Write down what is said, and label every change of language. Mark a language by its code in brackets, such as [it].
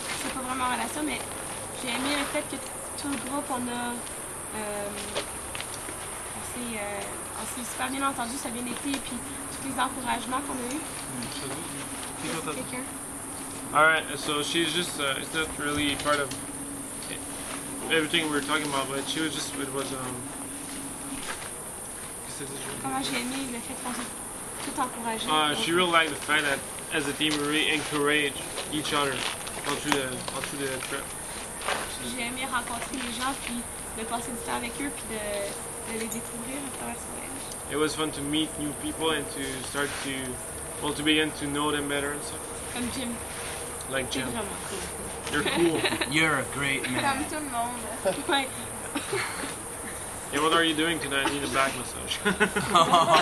[fr] C'est pas vraiment en relation, mais j'ai aimé le fait que tout le groupe on a. On s'est super bien entendu, ça a bien été, et puis tous les encouragements qu'on a eus. [en] Alright, so she's just. It's not really part of. Everything we were talking about, but she was just, it was, she really liked the fact that, as a team, we really encourage each other all through the trip. [fr] J'ai aimé rencontrer les gens, puis de passer du temps avec eux, puis de les découvrir à travers ce voyage. [en] It was fun to meet new people and to start to, well, to begin to know them better and stuff. [fr] Comme Jim. [en] Like Jim. Cool. You're cool. You're a great man. [fr] Comme tout le monde. Ouais. [en] Hey, what are you doing tonight? I need a back massage.